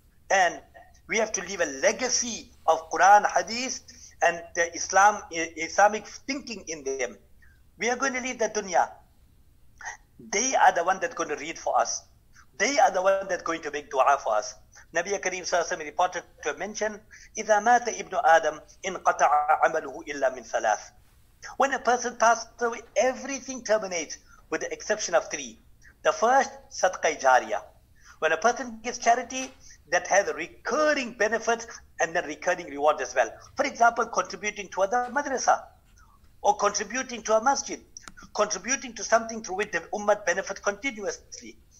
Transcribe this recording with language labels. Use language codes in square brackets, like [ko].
[en] And we have to leave a legacy of Quran, Hadith and the Islamic thinking in them. We are going to leave the dunya. They are the one that's going to read for us. They are the one that's going to make dua for us. [ar] Nabi Kareem sallallahu alaihi wasallam [en] reported to mention, [ar] إِذَا مَاتَ إِبْنُ آدَمُ إِنْ قَطَعَ عَمَلُهُ إِلَّا مِنْ ثَلَاثٍ. [en] When a person passes away, everything terminates with the exception of three. The first, صَدْقَ جَارِيَة. When a person gives charity, that has recurring benefits and then recurring reward as well. For example, contributing to the madrasa, or contributing to a masjid, contributing to something through which the ummah benefits continuously.